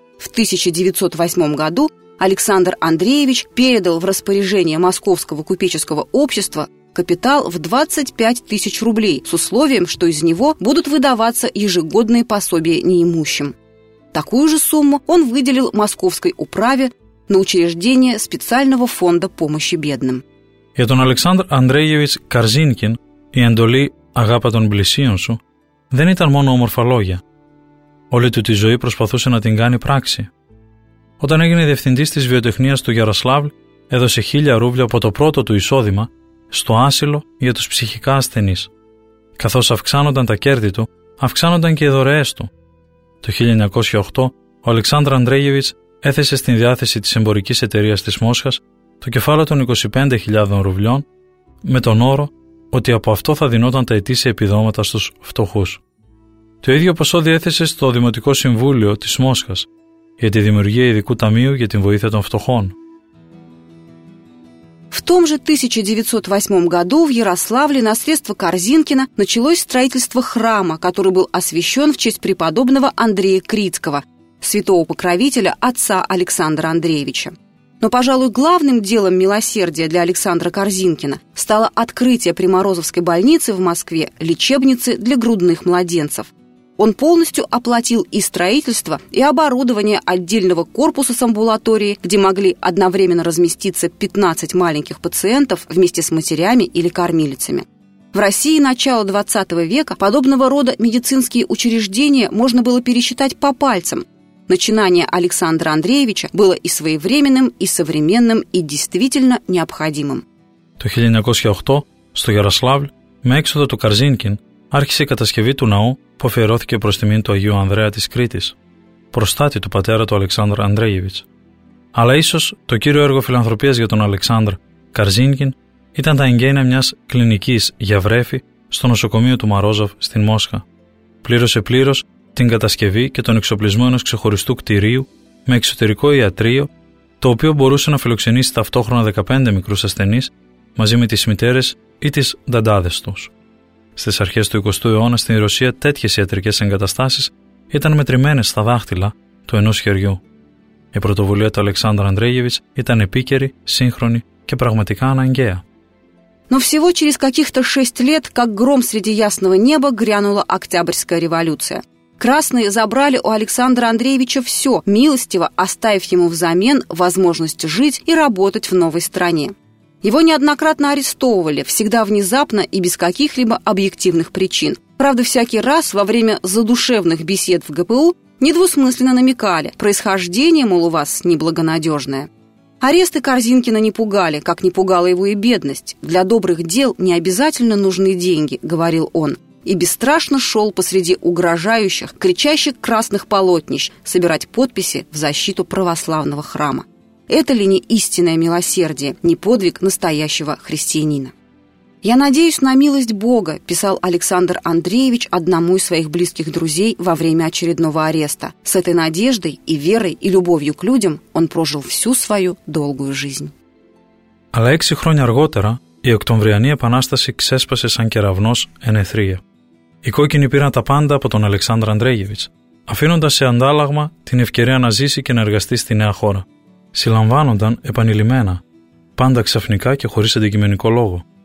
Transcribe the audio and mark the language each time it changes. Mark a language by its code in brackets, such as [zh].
[ru] В 1908 году Александр Андреевич передал в распоряжение Московского купеческого общества капитал в 25 тысяч рублей с условием, что из него будут выдаваться ежегодные пособия неимущим. Такую же сумму он выделил Московской управе на учреждение специального фонда помощи бедным. [el] Για τον Александр Андреевич Корзинкин η εντολή «Αγάπα των πλησίων σου» δεν ήταν μόνο όμορφα λόγια. Όλη του τη ζωή προσπαθούσε να την κάνει πράξη. Όταν έγινε διευθυντής της βιοτεχνίας του Γιαροσλάβλ, έδωσε 1000 ρούβλια από το πρώτο του εισόδημα στο άσυλο για τους ψυχικά ασθενείς. Καθώς αυξάνονταν τα κέρδη του, αυξάνονταν και οι δωρεές του. Το 1908, ο Αλεξάνδρ Αντρέγεβιτς έθεσε στην διάθεση της εμπορικής εταιρείας της Μόσχας το κεφάλαιο των 25.000 ρουβλιών με τον όρο ότι από αυτό θα δινόταν τα ετήσια επιδόματα στους φτωχούς. Το ίδιο ποσό διέθεσε στο Δημοτικό Συμβούλιο της Μόσχας για τη δημιουργία ειδικού ταμείου για την βοήθεια των φτωχών. [ru] В том же 1908 году в Ярославле на средства Корзинкина началось строительство храма, который был освящен в честь преподобного Андрея Крицкого, святого покровителя отца Александра Андреевича. Но, пожалуй, главным делом милосердия для Александра Корзинкина стало открытие Приморозовской больницы в Москве лечебницы для грудных младенцев. Он полностью оплатил и строительство, и оборудование отдельного корпуса с амбулаторией, где могли одновременно разместиться 15 маленьких пациентов вместе с матерями или кормилицами. В России начала 20 века подобного рода медицинские учреждения можно было пересчитать по пальцам. Начинание Александра Андреевича было и своевременным, и современным, и действительно необходимым. В 1908 в Ярославле, [el] με έξοδο του Корзинкин, άρχισε η κατασκευή του ναού που αφιερώθηκε προς τιμήν του Αγίου Ανδρέα της Κρήτης, προστάτη του πατέρα του Αλεξάνδρου Ανδρέγεβιτς. Αλλά ίσως το κύριο έργο φιλανθρωπίας για τον Αλεξάνδρ Καρζίνκιν ήταν τα εγγένεια μιας κλινικής για βρέφη στο νοσοκομείο του Μαρόζοφ στην Μόσχα. Πλήρωσε πλήρως την κατασκευή και τον εξοπλισμό ενός ξεχωριστού κτηρίου με εξωτερικό ιατρείο, το οποίο μπορούσε να φιλοξενήσει ταυτόχρονα 15 μικρούς ασθενείς μαζί με τις μητέρες ή τις δαντάδες τους. Στις αρχές του 20ου αιώνα στην Ρωσία τέτοιες ιατρικές εγκαταστάσεις ήταν μετρημένες στα δάχτυλα του ενός χεριού. Η πρωτοβουλία του Αλεξάνδρα Ανδρέγεβιτς ήταν επίκαιρη, σύγχρονη και πραγματικά αναγκαία. [ru] Но всего через каких-то 6 лет, как гром среди ясного неба, грянула Октябрьская революция. Красные забрали у Александра Андреевича всё, милостиво оставив ему взамен возможность жить и работать в новой стране. Его неоднократно арестовывали, всегда внезапно и без каких-либо объективных причин. Правда, всякий раз во время задушевных бесед в ГПУ недвусмысленно намекали, происхождение, мол, у вас неблагонадежное. Аресты Корзинкина не пугали, как не пугала его и бедность. «Для добрых дел не обязательно нужны деньги», — говорил он. И бесстрашно шел посреди угрожающих, кричащих красных полотнищ собирать подписи в защиту православного храма. Это ли не истинное милосердие, не подвиг настоящего христианина? «Я надеюсь на милость Бога», – писал Александр Андреевич одному из своих близких друзей во время очередного ареста. С этой надеждой и верой, и любовью к людям он прожил всю свою долгую жизнь. [el] Αλλά 6 χρόνια αργότερα η Οκτωβριανή Επανάσταση ξέσπασε σαν κεραυνός ενεθρία. Οι κόκκινοι πήραν τα πάντα από τον Αλεξάνδρ Αντρέγεβιτς, αφήνοντας σε αντάλλαγμα την ευκαιρία να ζήσει και να εργαστεί στη νέα χώρα. Συλλαμβάνονταν επανειλημμένα, πάντα ξαφνικά και χωρίς αντικειμενικό λόγο.